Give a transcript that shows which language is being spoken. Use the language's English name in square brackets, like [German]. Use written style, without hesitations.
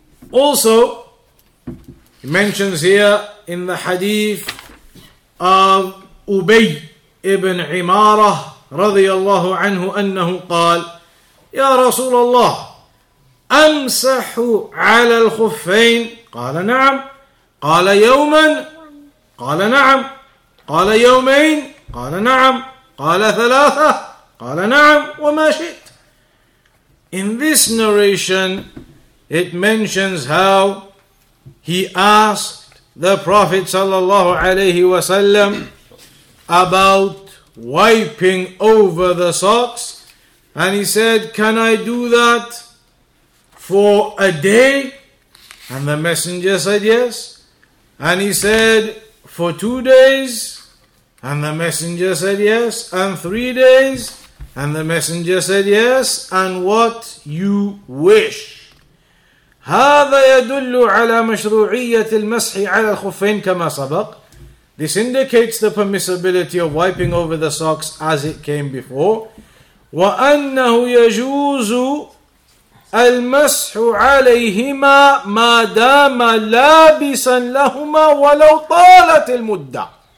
[English] Also, he mentions here in the hadith of [Arabic] Ubay ibn Imarah radiyallahu anhu annahu qal, يا رسول الله أمسح على الخفين قال نعم قال يوما قال نعم قال يومين قال نعم قال ثلاثة قال نعم وما شئت. [English] In this narration, it mentions how he asked the Prophet [Arabic] صلى الله عليه وسلم [English] about wiping over the socks. And he said, can I do that for a day? And the messenger said, yes. And he said, for 2 days? And the messenger said, yes. And 3 days? And the messenger said, yes. And what you wish. [Arabic] هذا يدل على مشروعية المسح على الخفين كما سبق. [English] This indicates the permissibility of wiping over the socks as it came before. [Arabic] وَأَنَّهُ يَجُوزُ الْمَسْحُ عَلَيْهِمَا مَا دَامَ لَابِسًا لَهُمَا وَلَوْ طَالَتِ الْمُدَّةِ.